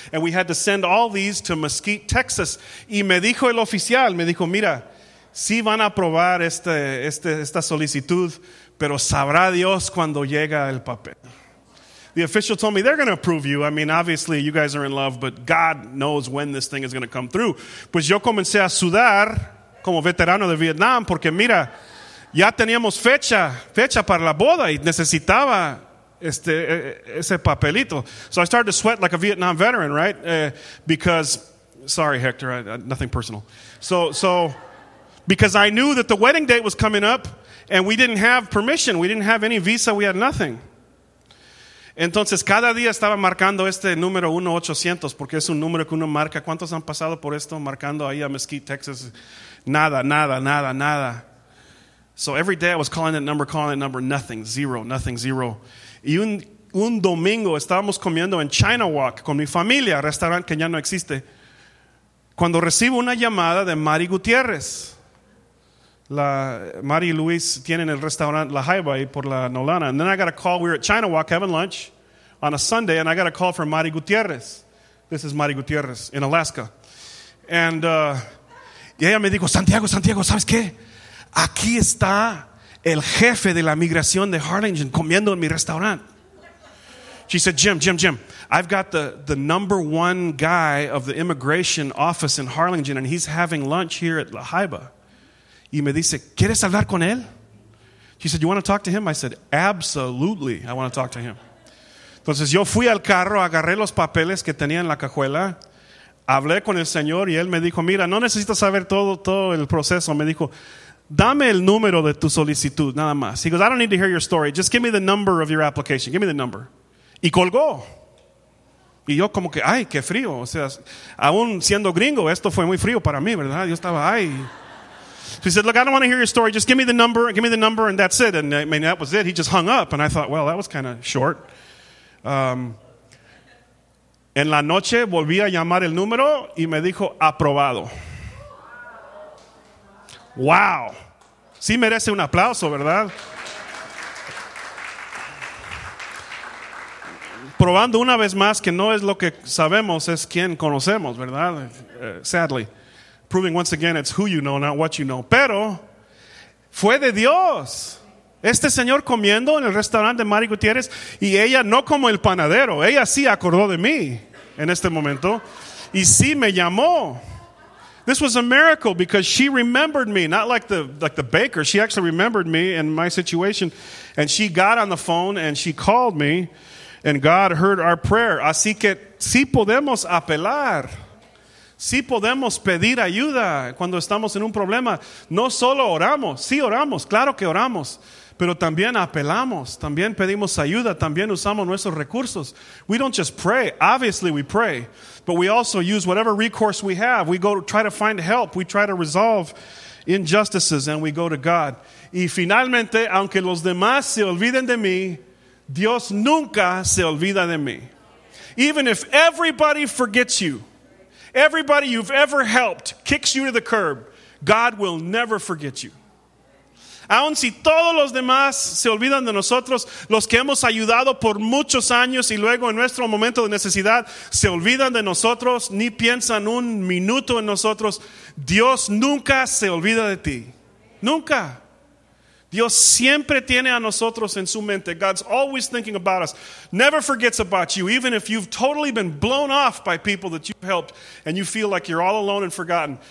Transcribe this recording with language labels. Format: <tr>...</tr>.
<en>And we had to send all these to Mesquite, Texas.</en> <es>Y me dijo el oficial, me dijo, mira, sí van a aprobar esta solicitud, pero sabrá Dios cuando llega el papel.</es> <en>The official told me, they're going to approve you. I mean, obviously, you guys are in love, but God knows when this thing is going to come through.</en> <es>Pues yo comencé a sudar como veterano de Vietnam porque mira, ya teníamos fecha para la boda y necesitaba ese papelito.</es> <en>So I started to sweat like a Vietnam veteran, right? Because, sorry, Hector, nothing personal. So because I knew that the wedding date was coming up and we didn't have permission. We didn't have any visa. We had nothing.</en> <es>Entonces, cada día estaba marcando este número 1-800 porque es un número que uno marca. ¿Cuántos han pasado por esto marcando ahí a Mesquite, Texas? Nada, nada, nada, nada.</es> <en>So every day I was calling that number, nothing, zero, nothing, zero.</en> <es>Y un domingo estábamos comiendo en China Walk con mi familia, restaurante que ya no existe, cuando recibo una llamada de Mari Gutiérrez. Mari y Luis tienen el restaurante La Jaiba ahí por la Nolana.</es> <en>And then I got a call, we were at China Walk having lunch on a Sunday, and I got a call from Mari Gutiérrez. This is Mari Gutiérrez in Alaska. And</en> <es>y ella me dijo, Santiago, ¿sabes qué? Aquí está el jefe de la migración de Harlingen comiendo en mi restaurante.</es> <en>She said, Jim, I've got the number one guy of the immigration office in Harlingen and he's having lunch here at La Jaiba.</en> <es>Y me dice, ¿quieres hablar con él?</es> <en>She said, you want to talk to him? I said, absolutely, I want to talk to him.</en> <es>Entonces yo fui al carro, agarré los papeles que tenía en la cajuela. Hablé con el señor y él me dijo, mira, no necesitas saber todo el proceso. Me dijo, dame el número de tu solicitud, nada más.</es> <en>He goes, I don't need to hear your story. Just give me the number of your application. Give me the number.</en> <es>Y colgó. Y yo como que, ay, qué frío. O sea, aún siendo gringo, esto fue muy frío para mí, ¿verdad? Yo estaba, ay.</es> <en>So he said, look, I don't want to hear your story. Just give me the number, and that's it. And I mean, that was it. He just hung up. And I thought, well, that was kind of short.</en> <es>En la noche volví a llamar el número y me dijo, aprobado. Wow. Sí merece un aplauso, ¿verdad? Probando una vez más que no es lo que sabemos, es quien conocemos, ¿verdad?</es> <en>Sadly. Proving once again it's who you know, not what you know.</en> <es>Pero fue de Dios. Este señor comiendo en el restaurante de Mari Gutiérrez y ella no como el panadero. Ella sí acordó de mí en este momento. Y sí me llamó.</es> <en>This was a miracle because she remembered me. Not like the baker. She actually remembered me and my situation. And she got on the phone and she called me. And God heard our prayer.</en> <es>Así que sí podemos apelar. Sí podemos pedir ayuda cuando estamos en un problema. No solo oramos. Sí oramos. Claro que oramos. Pero también apelamos. También pedimos ayuda. También usamos nuestros recursos.</es> <en>We don't just pray. Obviously we pray. But we also use whatever recourse we have. We go to try to find help. We try to resolve injustices. And we go to God.</en> <es>Y finalmente, aunque los demás se olviden de mí, Dios nunca se olvida de mí.</es> <en>Even if everybody forgets you, everybody you've ever helped kicks you to the curb, God will never forget you.</en> <es>Aun si todos los demás se olvidan de nosotros, los que hemos ayudado por muchos años y luego en nuestro momento de necesidad se olvidan de nosotros, ni piensan un minuto en nosotros, Dios nunca se olvida de ti. Nunca. Dios siempre tiene a nosotros en su mente.</es> <en>God's always thinking about us. Never forgets about you, even if you've totally been blown off by people that you've helped and you feel like you're all alone and forgotten.</en>